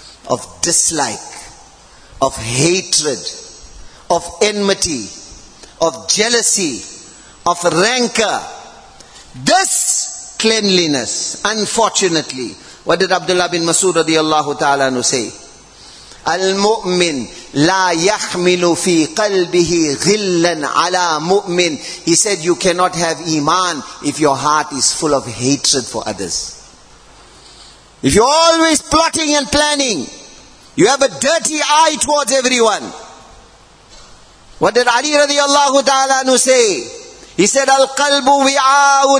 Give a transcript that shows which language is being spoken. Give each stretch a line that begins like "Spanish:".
English: Of dislike, of hatred, of enmity, of jealousy, of rancor. This cleanliness, unfortunately, what did Abdullah bin Masood radiallahu ta'ala anhu say? Al-mu'min
Arabic: لا يحمل في قلبه غلا على مؤمن.
English: He said, you cannot have iman if your heart is full of hatred for others. If you're always plotting and planning, you have a dirty eye towards everyone. What did Ali radiallahu ta'ala anhu say? He said,
Arabic: Al-Qalbu wi'aun.